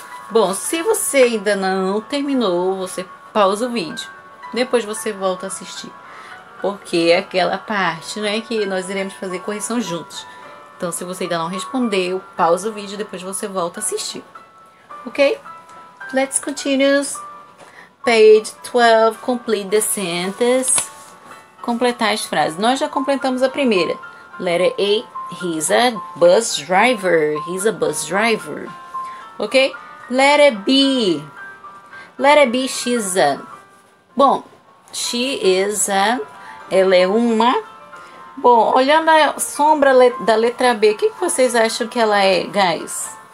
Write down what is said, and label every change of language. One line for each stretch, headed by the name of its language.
Portuguese: Bom, se você ainda não terminou, você pausa o vídeo. Depois você volta a assistir. Porque é aquela parte, né, que nós iremos fazer correção juntos. Então, se você ainda não respondeu, pausa o vídeo, depois você volta a assistir.
English: Ok? Let's continue. Page 12, complete the sentence.
Portuguese: Completar as frases. Nós já completamos a primeira.
English: Letter A, he's a bus driver. He's a bus driver. Ok? Letter B, she's a. Bom, she is a.
Portuguese: Ela é uma. Bom, olhando a sombra da letra B, o que vocês acham que ela é, guys?